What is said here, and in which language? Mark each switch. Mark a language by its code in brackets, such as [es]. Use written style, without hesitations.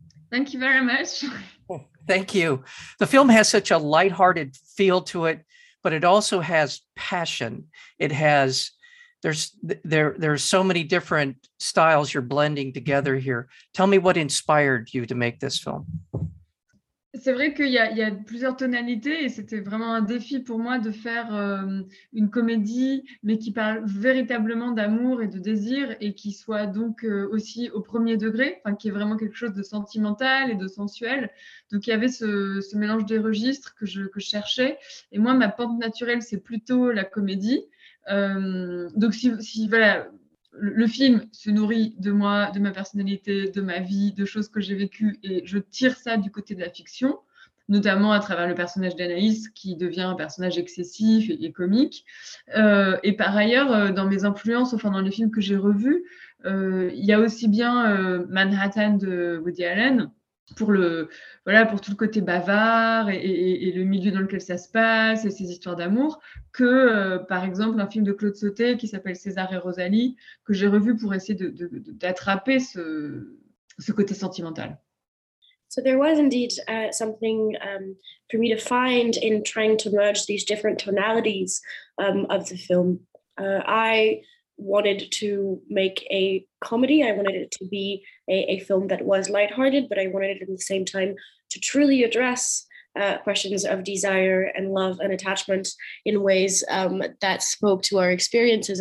[en] Thank you very much. Thank you. The film has such a lighthearted feel to it, but it also has passion. It has There's so many different styles you're blending together here. Tell me what inspired you to make this film. [fr] C'est vrai qu'il y a plusieurs tonalités et c'était vraiment un défi pour moi de faire une comédie, mais qui parle véritablement d'amour et de désir et qui soit donc aussi au premier degré, enfin, qui est vraiment quelque chose de sentimental et de sensuel. Donc il y avait ce mélange des registres que je cherchais. Et moi, ma pente naturelle, c'est plutôt la comédie. Donc si voilà, le film se nourrit de moi, de ma personnalité, de ma vie, de choses que j'ai vécues, et je tire ça du côté de la fiction, notamment à travers le personnage d'Anaïs qui devient un personnage excessif et comique. Et par ailleurs, dans mes influences, enfin dans les films que j'ai revus, il y a aussi bien Manhattan de Woody Allen. Pour tout le côté bavard et le milieu dans lequel ça se passe et ces histoires d'amour, que par exemple un film de Claude Sauté qui s'appelle César et Rosalie, que j'ai revu pour essayer d'attraper ce côté sentimental. [en] So there was indeed something for me to find in trying to merge these different tonalities of the film. I wanted to make a comedy. I wanted it to be a film that was lighthearted, but I wanted it at the same time to truly address questions of desire and love and attachment in ways that spoke to our experiences.